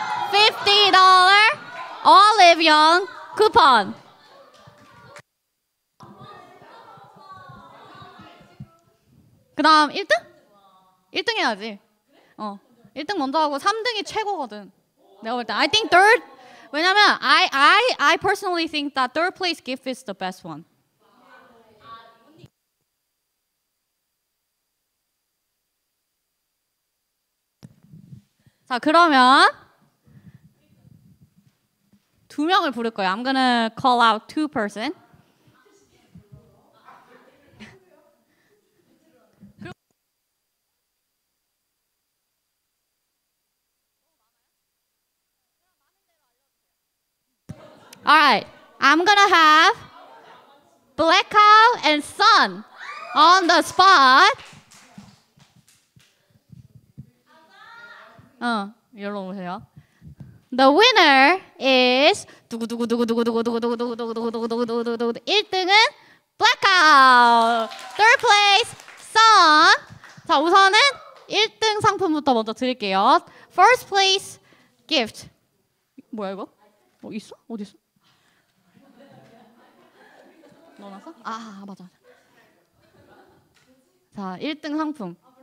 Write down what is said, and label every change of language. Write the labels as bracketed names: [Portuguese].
[Korean] $50 올리브영 쿠폰. 그다음 1등? 1등 해야지. 어. 1등 먼저 하고 3등이 최고거든. 내가 볼 때 [English] I think third. 왜냐면 I personally think that third place gift is the best one. [Korean] 자, 그러면 두 명을 부를 거예요. [English] I'm gonna call out two person. 알라이트, I'm gonna have Blackout and Sun on the spot. [Korean] 여러분 보세요. [English] The winner is [Korean] 1등은 [English] Blackout, 3rd place Sun. [Korean] 자, 우선은 1등 상품부터 먼저 드릴게요. [English] 1st place gift. [Korean] 뭐야 이거? 어, 있어? 어디 있어? 넣어놨어? 아, 맞아, 맞아. 자, 1등 상품.